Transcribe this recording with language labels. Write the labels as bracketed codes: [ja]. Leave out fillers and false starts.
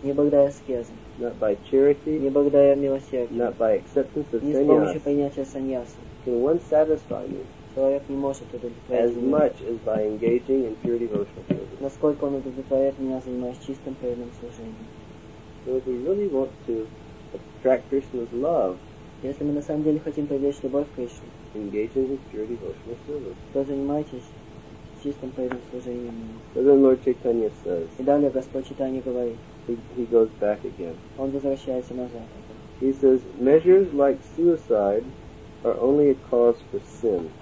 [ru] Не благодаря аскезе. [en] Not by charity? [ru] Не благодаря милосердию. [en] Not by acceptance of sannyasa? [ru] Не с помощью принятия саньяса. [en] Can one satisfy you? [ru] Человек не может удовлетворить. [en] As much as by engaging in pure devotional service. [ru] Насколько он удовлетворяет меня, занимаясь чистым преданным служением. [en] So if we really want to attract Krishna's love. [ru] Если мы на самом деле хотим привлечь любовь к Кришне, [en] engage in his pure devotional service. [ru] То занимайтесь чистым преданным служением. [en] So then Lord Chaitanya says. [ru] И далее Господь Читания говорит. [en] He goes back again. [ru] Он возвращается назад. [en] He says measures like suicide are only a cause for sin.